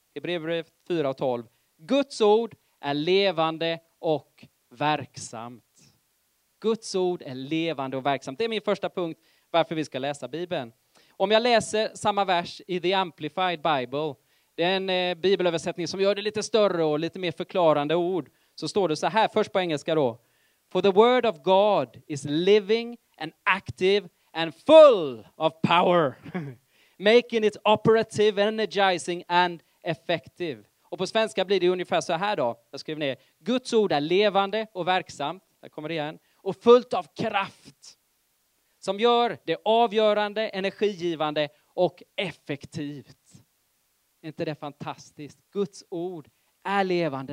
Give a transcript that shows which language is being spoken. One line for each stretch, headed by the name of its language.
Swedish: Hebreerbrevet 4:12. Guds ord är levande och verksamt. Guds ord är levande och verksamt. Det är min första punkt varför vi ska läsa Bibeln. Om jag läser samma vers i The Amplified Bible, det är en bibelöversättning som gör det lite större och lite mer förklarande ord, så står det så här, först på engelska då.
English: For the word of God is living and active and full of power, making it operative, energizing and effective.
Swedish: Och på svenska blir det ungefär så här då. Jag skriver ner. Guds ord är levande och verksamt. Där kommer det igen. Och fullt av kraft. Som gör det avgörande, energigivande och effektivt. Inte det fantastiskt? Guds ord är levande.